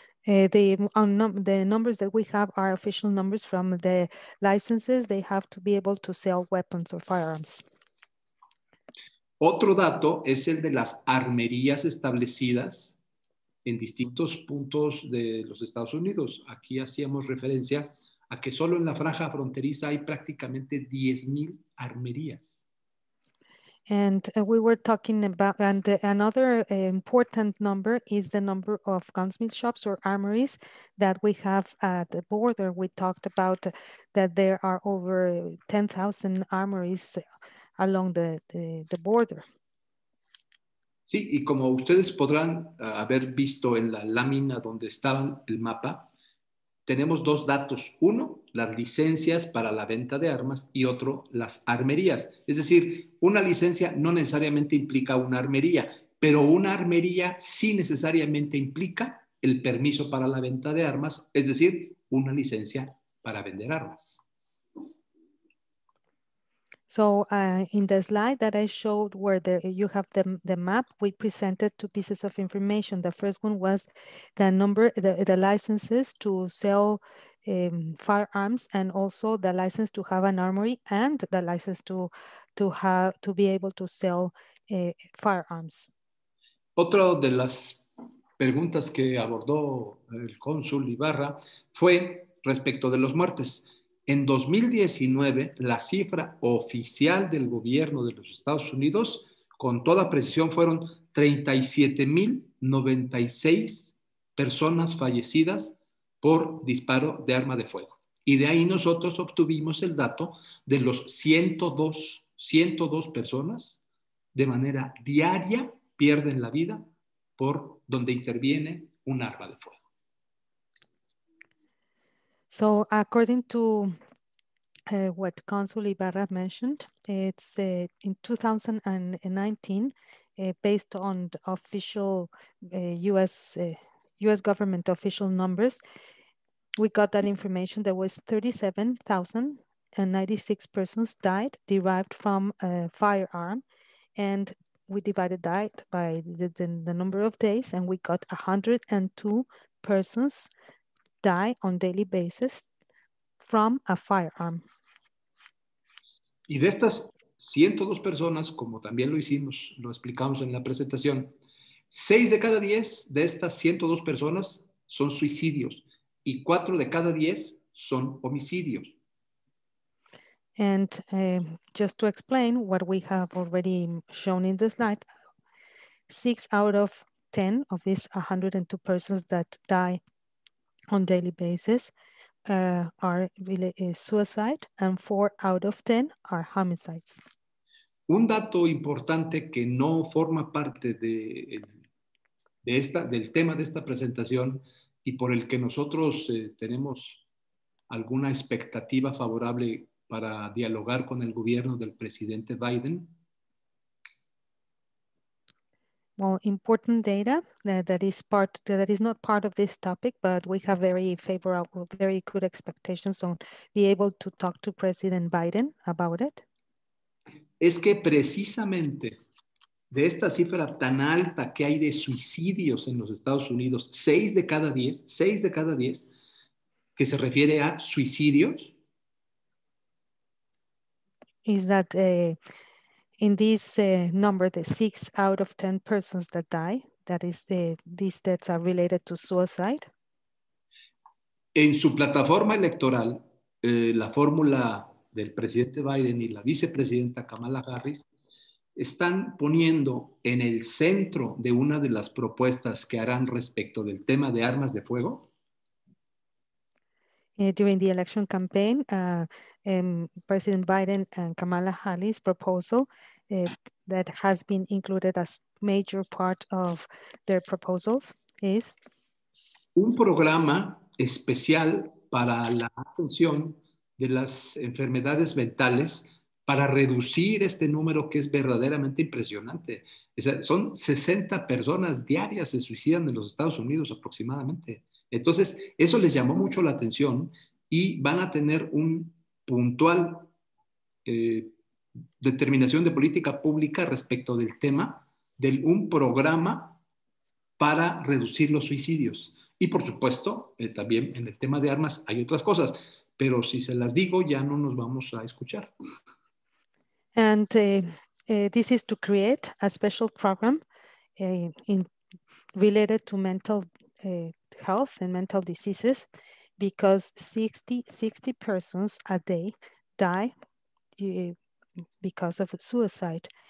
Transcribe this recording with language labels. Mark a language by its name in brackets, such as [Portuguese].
[English] The numbers that we have are official numbers from the licenses. They have to be able to sell weapons or firearms. [Spanish] Otro dato es el de las armerías establecidas en distintos puntos de los Estados Unidos. Aquí hacíamos referencia a que solo en la franja fronteriza hay prácticamente 10,000 armerías. [English] And we were talking about, and another important number is the number of gunsmith shops or armories that we have at the border. We talked about that there are over 10,000 armories along the border. [Spanish] Sí, y como ustedes podrán haber visto en la lámina donde estaba el mapa, tenemos dos datos. Uno, las licencias para la venta de armas, y otro, las armerías. Es decir, una licencia no necesariamente implica una armería, pero una armería sí necesariamente implica el permiso para la venta de armas, es decir, una licencia para vender armas. [English] So in the slide that I showed where you have the map, we presented two pieces of information. The first one was the number, the licenses to sell firearms, and also the license to have an armory, and the license to be able to sell firearms. [Spanish] Otra de las preguntas que abordó el cónsul Ibarra fue respecto de los muertes. En 2019, la cifra oficial del gobierno de los Estados Unidos, con toda precisión, fueron 37,096 personas fallecidas por disparo de arma de fuego. Y de ahí nosotros obtuvimos el dato de los 102 personas de manera diaria pierden la vida por donde interviene un arma de fuego. [English] So according to what Consul Ibarra mentioned, it's in 2019, based on the official US government official numbers, we got that information. There was 37,096 persons died derived from a firearm, and we divided that by the number of days, and we got 102 persons die on daily basis from a firearm. [Spanish] Y de estas 102 personas, como también lo hicimos, lo explicamos en la presentación, 6 de cada 10 de estas 102 personas son suicidios, y 4 de cada 10 son homicidios. [English] And just to explain what we have already shown in the slide, 6 out of 10 of these 102 persons that die on daily basis are really suicide, and 4 out of 10 are homicides. [Spanish] Un dato importante que no forma parte del tema de esta presentación, y por el que nosotros tenemos alguna expectativa favorable para dialogar con el gobierno del presidente Biden. [English] Well, important data that is not part of this topic, but we have very favorable, very good expectations on be able to talk to President Biden about it. [Spanish] Es que precisamente de esta cifra tan alta que hay de suicidios en los Estados Unidos, 6 de cada 10, que se refiere a suicidios. [English] Is that in this number, the 6 out of 10 persons that die, that is, these deaths are related to suicide? [Spanish] En su plataforma electoral, la fórmula del presidente Biden y la vicepresidenta Kamala Harris están poniendo en el centro de una de las propuestas que harán respecto del tema de armas de fuego. [English] During the election campaign, President Biden and Kamala Harris proposal that has been included as major part of their proposals is [Spanish] un programa especial para la atención de las enfermedades mentales, para reducir este número que es verdaderamente impresionante. O sea, son 60 personas diarias se suicidan en los Estados Unidos aproximadamente. Entonces, eso les llamó mucho la atención, y van a tener un puntual determinación de política pública respecto del tema de un programa para reducir los suicidios. Y por supuesto, también en el tema de armas hay otras cosas, pero si se las digo ya no nos vamos a escuchar. [English] And this is to create a special program related to mental health and mental diseases, because 60 persons a day die because of suicide.